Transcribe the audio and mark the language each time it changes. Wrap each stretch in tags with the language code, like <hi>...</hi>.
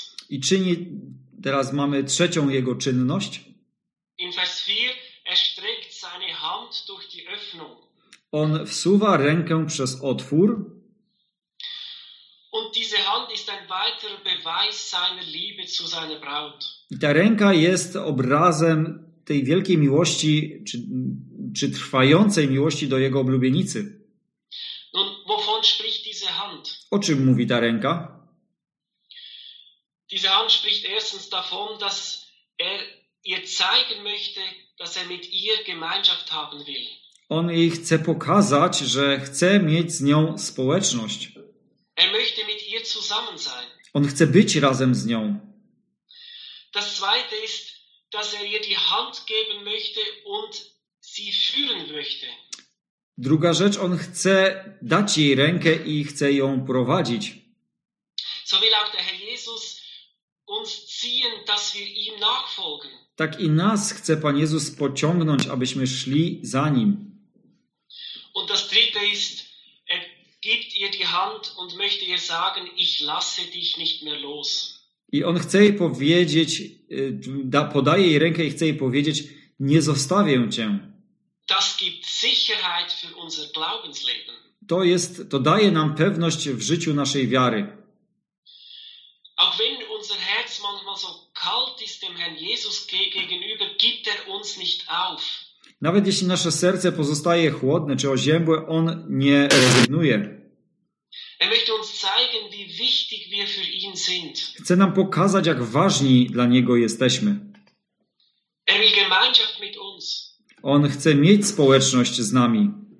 <pl>I czyni, teraz mamy trzecią jego czynność.</pl> <de>In vers 4 erstreckt seine Hand durch die Öffnung.</de> <pl>On wsuwa rękę przez otwór.</pl> <de>Und diese Hand ist ein weiterer Beweis seiner Liebe zu seiner Braut.</de> <pl>I ta ręka jest obrazem tej wielkiej miłości, czy trwającej miłości do jego oblubienicy.</pl> <de>Nun, wovon spricht diese Hand?</de> <pl>O czym mówi ta ręka?</pl> <de>Diese Hand spricht erstens davon, dass er ihr zeigen möchte, dass er mit ihr Gemeinschaft haben will.</de> <pl>On jej chce pokazać, że chce mieć z nią społeczność.</pl> <de>Er möchte mit ihr zusammen sein.</de> <pl>On chce być razem z nią.</pl> <de>Das zweite ist, dass er ihr die Hand geben möchte und sie führen möchte.</de> <pl>Druga rzecz, on chce dać jej rękę i chce ją prowadzić.</pl> <de>So will auch der Herr Jesus uns ziehen, dass wir ihm nachfolgen.</de> <pl>Tak i nas chce Pan Jezus pociągnąć, abyśmy szli za Nim.</pl> <de>Und das dritte ist, er gibt ihr die Hand und möchte ihr sagen, ich lasse dich nicht mehr los.</de> <pl>I on chce jej powiedzieć, podaje jej rękę i chce jej powiedzieć, nie zostawię cię.</pl> <de>Das gibt Sicherheit für unser Glaubensleben.</de> <pl>To daje nam pewność w życiu naszej wiary.</pl> <de>Auch wenn unser Herz manchmal so kalt ist dem Herrn Jesus gegenüber, gibt er uns nicht auf.</de> <pl>Nawet jeśli nasze serce pozostaje chłodne czy oziębłe, on nie rezygnuje.</pl> <de>Er möchte uns zeigen, wie wichtig wir für ihn sind.</de> <pl>Chce nam pokazać, jak ważni dla niego jesteśmy.</pl> <de>Er will Gemeinschaft mit uns.</de> <pl>On chce mieć społeczność z nami.</pl>